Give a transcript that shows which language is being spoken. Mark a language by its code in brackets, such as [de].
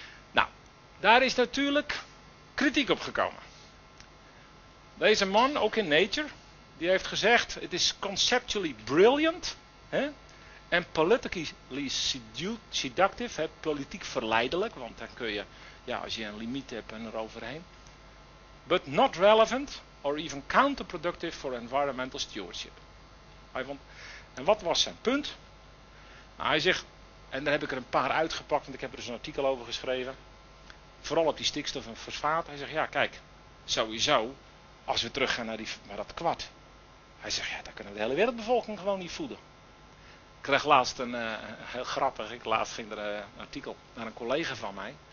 [nl] Nou, daar is natuurlijk kritiek op gekomen. Deze man, ook in Nature, die heeft gezegd, het is [en] conceptually brilliant. [nl] Hè? En [en] politically seductive, [nl] hè? Politiek verleidelijk, want dan kun je, ja, als je een limiet hebt en eroverheen. [en] But not relevant or even counterproductive for environmental stewardship. [nl] En wat was zijn punt? Nou, hij zegt, en daar heb ik er een paar uitgepakt, want ik heb er dus een artikel over geschreven. Vooral op die stikstof en fosfaat. Hij zegt, ja kijk, sowieso, als we teruggaan naar dat kwad. Hij zegt, ja, dan kunnen we de hele wereldbevolking gewoon niet voeden. Ik kreeg laatst een, heel grappig, ik laatst ging er een artikel naar een collega van mij.